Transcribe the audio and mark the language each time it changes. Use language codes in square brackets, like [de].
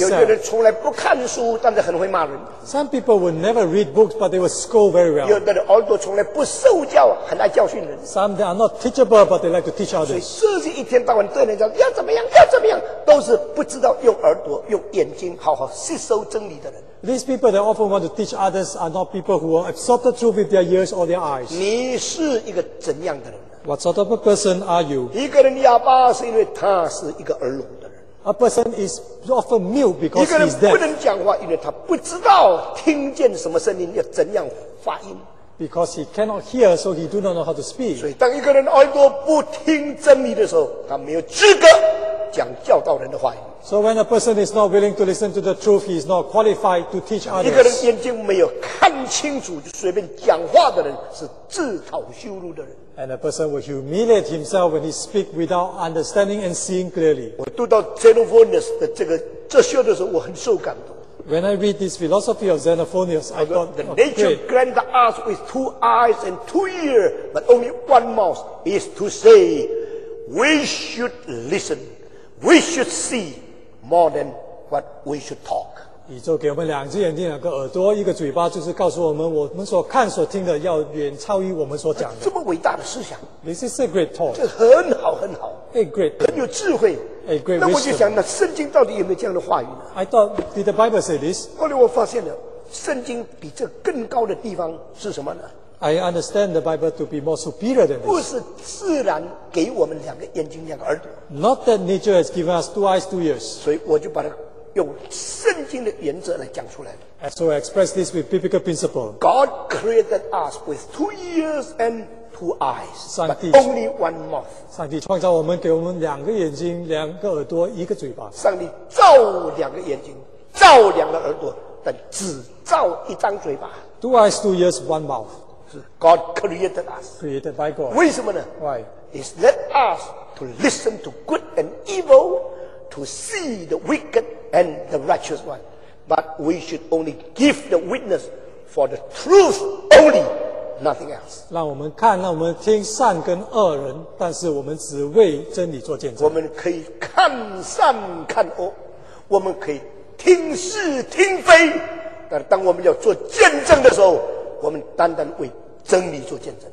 [zh] 有些人从来不看书，但是很会骂人。 [en] Some people will never read books, but they will scold very well. [zh] 有的人耳朵从来不受教，很爱教训人。 [en] Some they are not teachable, but they like to teach others. [zh] 所以这是一天到晚对人家要怎么样，要怎么样，都是不知道用耳朵、用眼睛好好吸收真理的人。 [en] These people that often want to teach others are not people who will absorb the truth with their ears or their eyes. [zh] 你是一个怎样的人？ [en] What sort of a person are you? [zh] 一个人哑巴是因为他是一个耳聋的人。 [en] A person is often mute because he's deaf. [zh] 一个人不能讲话，因为他不知道听见什么声音，要怎样发音。 [en] Because he cannot hear, so he do not know how to speak. [zh] 所以当一个人耳朵不听真理的时候，他没有资格讲教导人的话语。 [en] So when a person is not willing to listen to the truth, he is not qualified to teach others. [zh] 一个人眼睛没有看清楚就随便讲话的人是自讨羞辱的人。 [en] And a person will humiliate himself when he speaks without understanding and seeing clearly. [zh] 我读到 Xenophonus 的这个哲学的时候，我很受感动。 [en] When I read this philosophy of Xenophonus, I thought, the nature grant us with two eyes and two ears, but only one mouth is to say, we should listen, we should see. More than what we should talk. [zh] 宇宙给我们两只眼睛、两个耳朵、一个嘴巴，就是告诉我们，我们所看、所听的要远超于我们所讲的。这么伟大的思想。 [en] This is a great thought. [zh] 这很好，很好。 [en] A great. [zh] 很有智慧。 [en] A great wisdom. [zh] 那我就想，那圣经到底有没有这样的话语呢 [en] ？I thought, did the Bible say this? [zh] 后来我发现了，圣经比这更高的地方是什么呢 [en] ？I understand the Bible to be more superior than this. [zh] 不是自然给我们两个眼睛、两个耳朵。 [en] Not that nature has given us two eyes, two ears. [zh] 所以我就把它用圣经的原则来讲出来。 [en] And so I express this with biblical principle. God created us with two ears and two eyes, [zh] 上帝 [en] but only one mouth. [zh] 上帝创造我们，给我们两个眼睛、两个耳朵、一个嘴巴。上帝造两个眼睛，造两个耳朵，但只造一张嘴巴。 [en] Two eyes, two ears, one mouth. God created us. Created by God. [zh] 为什么呢 [en] ？Why? Is let us. To listen to good and evil, to see the wicked and the righteous one. But we should only give the witness for the truth only, nothing else. [zh] 让我们看，让我们听善跟恶人，但是我们只为真理做见证。我们可以看善看恶，我们可以听是听非，但当我们要做见证的时候，我们单单为真理做见证。